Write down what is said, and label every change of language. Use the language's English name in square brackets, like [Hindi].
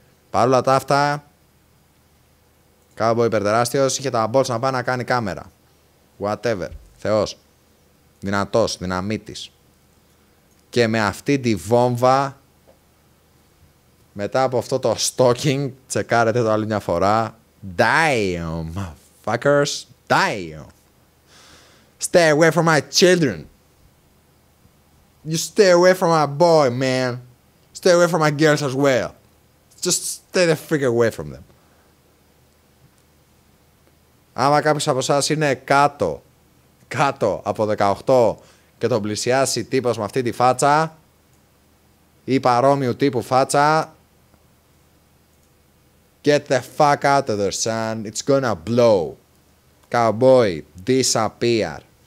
[Greek] Παρ' όλα τα αυτά, κάπου υπερτεράστιος, είχε τα balls να πάει να κάνει κάμερα. Whatever. Θεός. Δυνατός, δυναμίτης. Και με αυτή τη βόμβα, μετά από αυτό το stalking, τσεκάρετε το άλλη μια φορά. [English] Damn, fuckers. Damn. Stay away from my children. You stay away from my boy, man. Stay away from my girls as well. Just stay the freak away from them. [Greek] Άμα κάποιος από εσάς είναι κάτω από 18 και τον πλησιάσει τύπος με αυτή τη φάτσα ή παρόμοιου τύπου φάτσα, [English] get the fuck out of there, son. It's gonna blow. Cowboy, disappear.